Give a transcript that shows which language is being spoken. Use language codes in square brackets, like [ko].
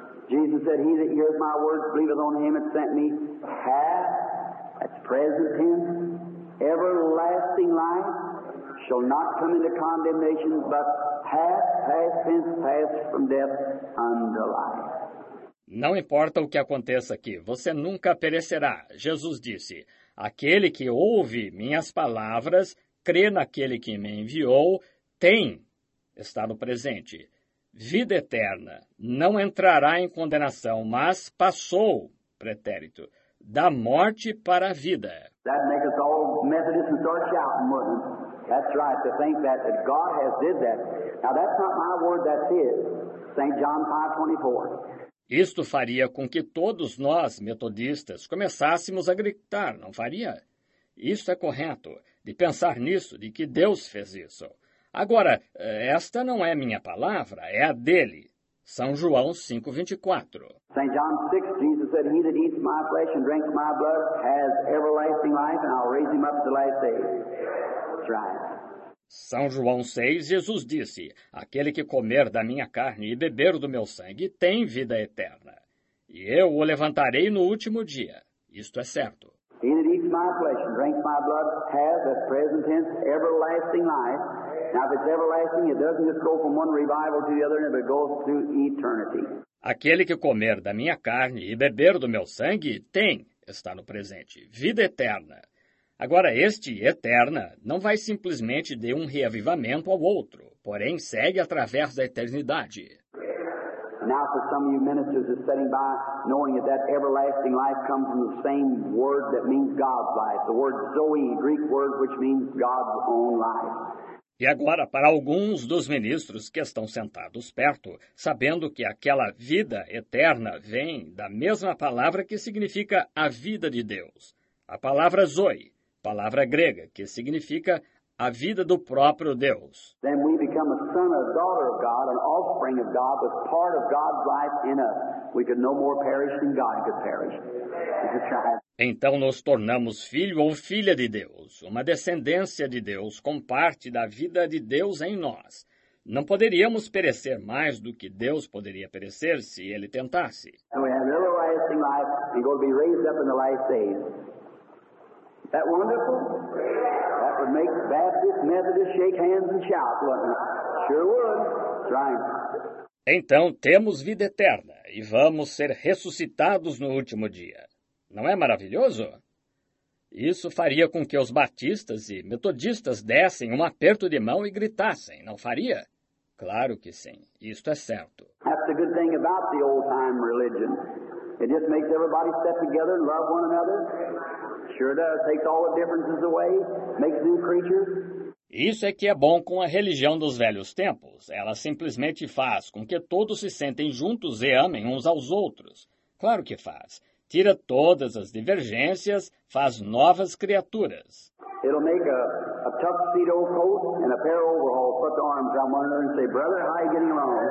[en] Jesus said, he that heareth my words, believeth on him that sent me, hath, that's present tense, everlasting life, shall not come into condemnation, but hath, past tense, passed from death unto life. [pt] Não importa o que aconteça aqui, você nunca perecerá. Jesus disse, aquele que ouve minhas palavras, crê naquele que me enviou, tem, está no presente. Vida eterna, não entrará em condenação, mas passou, pretérito, da morte para a vida. [en] That makes us all Methodists and start shouting, wouldn't it? That's right, to think that God has did that. Now that's not my word, that's his. St. John 5:24. [pt] Isto faria com que todos nós, metodistas, começássemos a gritar, não faria? Isto é correto, de pensar nisso, de que Deus fez isso. Agora, esta não é minha palavra, é a dele. São João 5:24. [en] St. John 6, Jesus said, he that eats my flesh and drinks my blood has everlasting life, and I'll raise him up to the last day. That's right. [pt] São João 6, Jesus disse, aquele que comer da minha carne e beber do meu sangue tem vida eterna, e eu o levantarei no último dia. Isto é certo. [en] He that eats my flesh and drinks my blood has, at present tense, everlasting life. Now, if it's everlasting, it doesn't just go from one revival to the other, but it goes through eternity. [pt] Aquele que comer da minha carne e beber do meu sangue tem, está no presente. Vida eterna. Agora, este eterna não vai simplesmente de um reavivamento ao outro, porém segue através da eternidade. [en] Now, for some of you ministers are sitting by, knowing that that everlasting life comes from the same word that means God's life, the word Zoe, Greek word, which means God's own life. [pt] E agora, para alguns dos ministros que estão sentados perto, sabendo que aquela vida eterna vem da mesma palavra que significa a vida de Deus, a palavra Zoe, palavra grega, que significa a vida do próprio Deus. [en] Then we become a son or daughter of God, an offspring of God, but part of God's life in us. We could no more perish than God could perish. [pt] Então nos tornamos filho ou filha de Deus, uma descendência de Deus, com parte da vida de Deus em nós. Não poderíamos perecer mais do que Deus poderia perecer se ele tentasse. [en] And we have everlasting life, we're going to be raised up in the last days. That wonderful? That would make Baptist, Methodist shake hands and shout, wouldn't it? Sure would. Right. [pt] Então temos vida eterna e vamos ser ressuscitados no último dia. Não é maravilhoso? Isso faria com que os batistas e metodistas dessem um aperto de mão e gritassem, não faria? Claro que sim, isto é certo. [en] That's the good thing about the old time religion. It just makes everybody step together and love one another. Sure does, takes all the differences away, makes new creatures. [pt] Isso é que é bom com a religião dos velhos tempos. Ela simplesmente faz com que todos se sentem juntos e amem uns aos outros. Claro que faz. Tira todas as divergências, faz novas criaturas. [en] It'll make a tuxedo coat and a pair of overalls, put the arms on one another and say, brother, how are you getting along?